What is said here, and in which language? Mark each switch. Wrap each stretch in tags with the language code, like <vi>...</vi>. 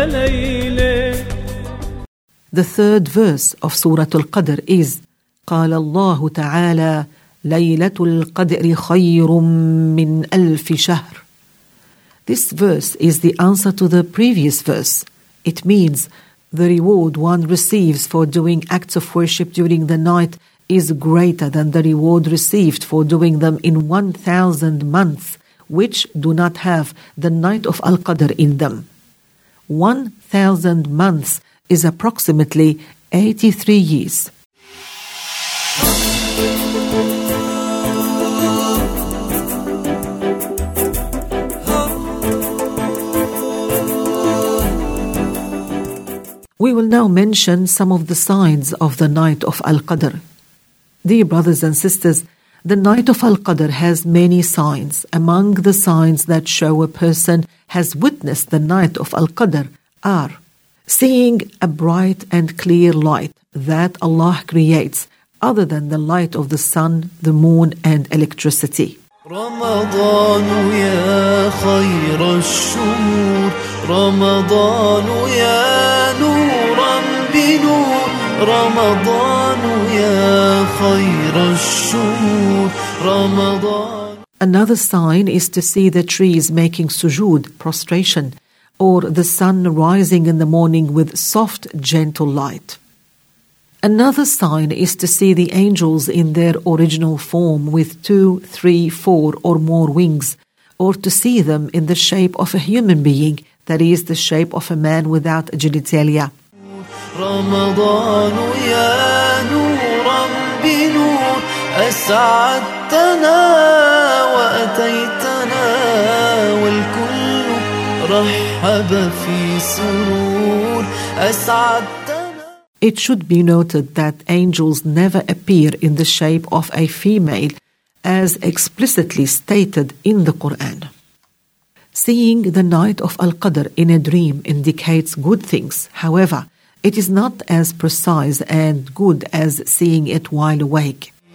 <en>The third verse of Surah Al-Qadr is,</en> <ar>قال الله تعالى ليلة القدر خير من ألف شهر.</ar> <en>This verse is the answer to the previous verse. It means the reward one receives for doing acts of worship during the night is greater than the reward received for doing them in 1,000 months, which do not have the night of Al-Qadr in them. 1,000 months is approximately 83 years. We will now mention some of the signs of the night of Al-Qadr. Dear brothers and sisters, the night of Al-Qadr has many signs. Among the signs that show a person has witnessed the night of Al-Qadr are seeing a bright and clear light that Allah creates other than the light of the sun, the moon, and electricity.</en> <ar>رمضان يا خير الشهور رمضان يا نورا بنور رمضان يا خير الشهور رمضان.</ar> <en>Another sign is to see the trees making sujood, prostration, or the sun rising in the morning with soft, gentle light. Another sign is to see the angels in their original form with 2, 3, 4 or more wings, or to see them in the shape of a human being, that is, the shape of a man without genitalia.</en> <ar>Ramadan ya nuran binur, as'ad جئتنا وأتيتنا والكل رحب في سرور أسعد.</ar> <en>It should be noted that angels never appear in the shape of a female, as explicitly stated in the Quran. Seeing the night of Al-Qadr in a dream indicates good things. However, it is not as precise and good as seeing it while awake.</en>